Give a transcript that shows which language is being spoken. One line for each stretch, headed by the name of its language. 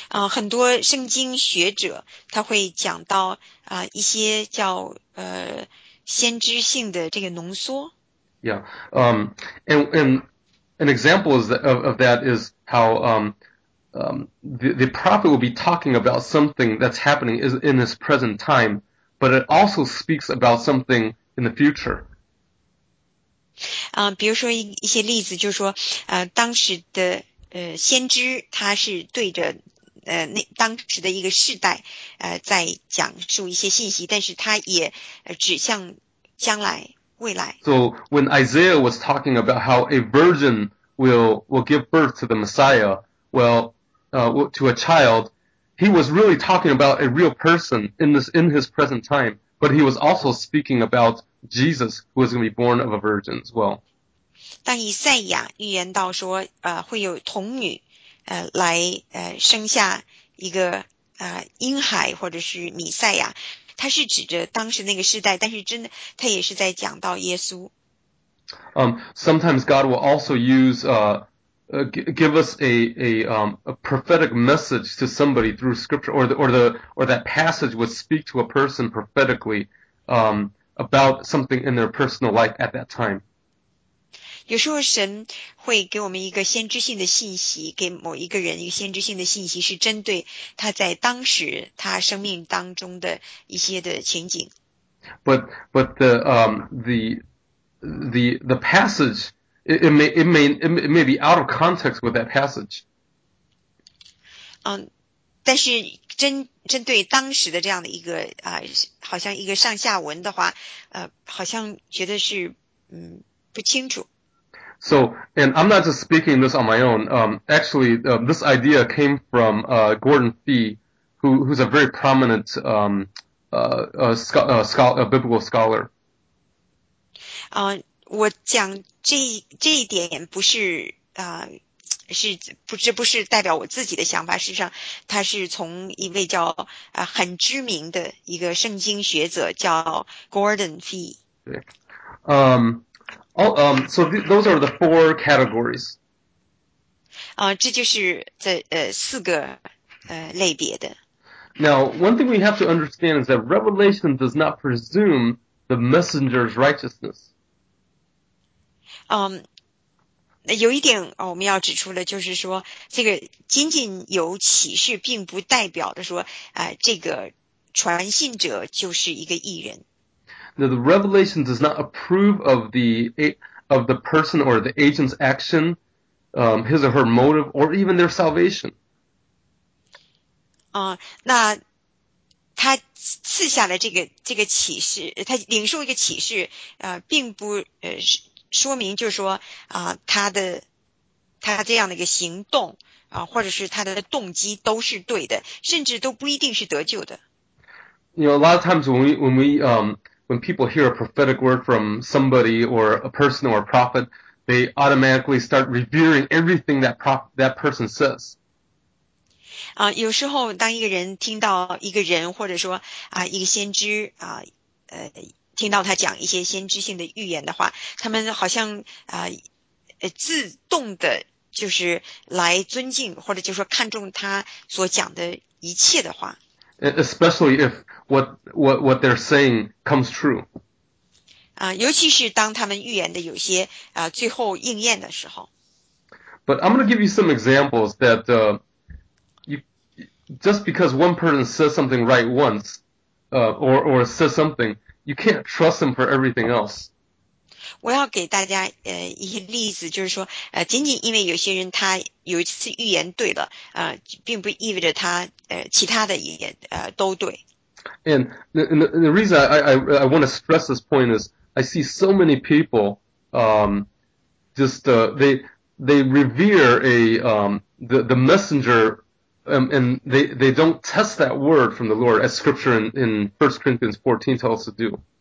Chinese: 很多圣经学者他会讲到一些叫先知性的这个浓缩。
English: Yeah, and an example of that is how the prophet will be talking about something that's happening in his present time, but it also speaks about something in the future.
Chinese: 比如说一些例子，就是说，当时的先知他是对着那当时的一个世代在讲述一些信息，但是他也指向将来未来。
English: So when Isaiah was talking about how a virgin will give birth to the Messiah, well. To a child, he was really talking about a real person in his present time, but he was also speaking about Jesus, who was going to be born of a virgin as well.
Chinese: 当以赛亚预言到说，会有童女，来，生下一个，婴孩或者是弥赛亚，他是指着当时那个时代，但是真的，他也是在讲到耶稣。
English: Sometimes God will also use, give us a prophetic message to somebody through scripture or that passage would speak to a person prophetically about something in their personal life at that time.
Chinese: 有时候神会给我们一个先知性的信息，给某一个人一个先知性的信息，是针对他在当时他生命当中的一些的情景。
English: But the passage It may be out of context with that passage.
Chinese: 但是针对当时的这样的一个好像一个上下文的话，好像觉得是不清楚。
English: So, and I'm not just speaking this on my own. This idea came from Gordon Fee, who's a very prominent a biblical scholar.
Chinese: 我讲这一点不是是不这不是代表我自己的想法，事实上他是从一位叫很知名的一个圣经学者叫 Gordon Fee。
English: 对。Those are the four categories.
Chinese: 这就是这四个类别的。
English: Now, one thing we have to understand is that Revelation does not presume the messenger's righteousness.
Chinese: 有一点我们要指出的就是说这个仅仅有启示并不代表的说这个传信者就是一个义人。
English: Now, the revelation does not approve of the person or the agent's action, his or her motive, or even their salvation.
Chinese: 那他赐下的这个启示，他领受一个启示，并不说明就是说他这样的一个行动或者是他的动机都是对的，甚至都不一定是得救的。
English: You know, a lot of times when people hear a prophetic word from somebody or a person or a prophet, they automatically start revering everything that person says.
Chinese: 有时候当一个人听到一个人或者说一个先知听到他讲一些先知性的预言的话，他们好像自动的就是来尊敬或者就是说看重他所讲的一切的话。
English: Especially if what they're saying comes true.
Chinese: 尤其是当他们预言的有些最后应验的时候。
English: But I'm going to give you some examples that just because one person says something right once or says something, you can't trust them for everything else.
Chinese: 我要给大家一些例子，就是说仅仅因为有些人他有一次预言对了并不意味着他其他的也都对。
English: And the reason I want to stress this point is I see so many people they revere the messenger and they don't test that word from the Lord as scripture in 1 Corinthians 14 tells us to do.